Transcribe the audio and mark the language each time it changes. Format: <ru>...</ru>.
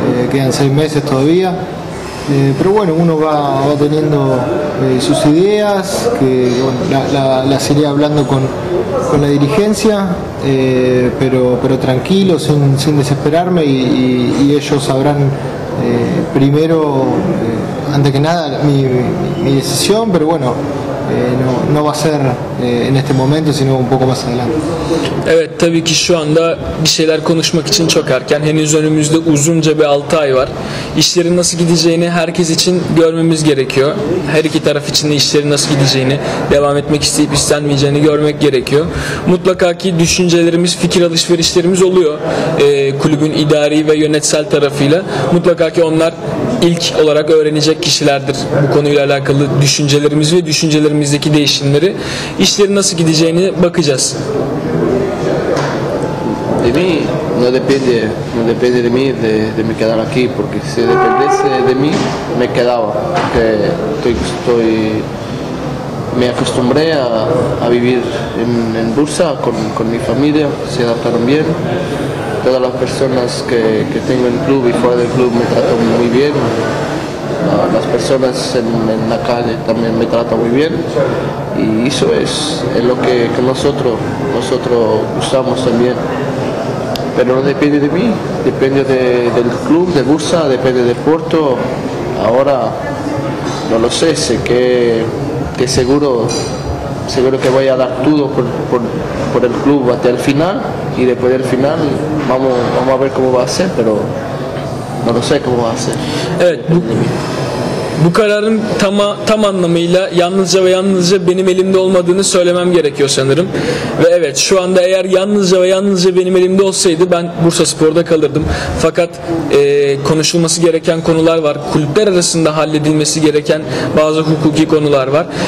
<es>Quedan 6 meses todavía. Pero bueno, uno va teniendo sus ideas, que bueno, las iré hablando con la dirigencia, pero tranquilo, sin desesperarme, y ellos sabrán primero, antes que nada, mi decisión, pero bueno. No va a ser en este momento sino un poco más adelante.</es> <tr>Evet, tabii ki şu anda bir şeyler konuşmak için çok erken. Henüz önümüzde uzunca bir 6 ay var. İşlerin nasıl gideceğini herkes için görmemiz gerekiyor. Her iki taraf için de işlerin nasıl gideceğini, devam etmek isteyip istenmeyeceğini görmek gerekiyor. Mutlaka ki düşüncelerimiz, fikir alışverişlerimiz oluyor. Kulübün idari ve yönetsel tarafıyla. Mutlaka ki onlar ilk olarak öğrenecek kişilerdir bu konuyla alakalı düşüncelerimiz ve düşüncelerimizdeki değişimleri. İşlerin nasıl gideceğini bakacağız.</tr> <es>De mí no depende de mí de me quedar aquí, porque si dependiese de mí me quedaba, que estoy me acostumbré a vivir en Bursa con mi familia, se adaptaron bien. Todas las personas que tengo en el club y fuera del club me tratan muy bien. Las personas en la calle también me tratan muy bien. Y eso es lo que nosotros usamos también. Pero no depende de mí, depende del club, de Bursa, depende de Porto. Ahora no lo sé, sé que seguro que voy a dar todo por el club hasta el final. Y después del final vamos a ver cómo va a ser, pero no lo sé cómo va a ser.</es> <tr>Bu kararın tam anlamıyla yalnızca ve yalnızca benim elimde olmadığını söylemem gerekiyor sanırım. Ve evet, şu anda eğer yalnızca ve yalnızca benim elimde olsaydı ben Bursaspor'da kalırdım. Fakat konuşulması gereken konular var. Kulüpler arasında halledilmesi gereken bazı hukuki konular var.</tr>